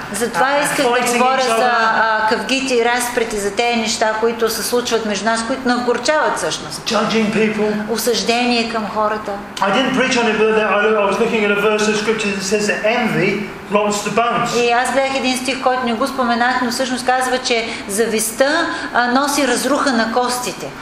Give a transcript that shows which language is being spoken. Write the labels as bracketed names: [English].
[Bulgarian] затова исках да говоря за къвгите и разпрети, за тези неща, които се случват между нас, които ни огорчават всъщност. [English] Judging people. [Bulgarian] Осъждение към хората. [English] I didn't preach on it, but I was looking at a verse of scripture that says that envy rots the bones. [Bulgarian] И аз бях един стих, който не го споменах, но всъщност казва, че завистта носи разруха на костите.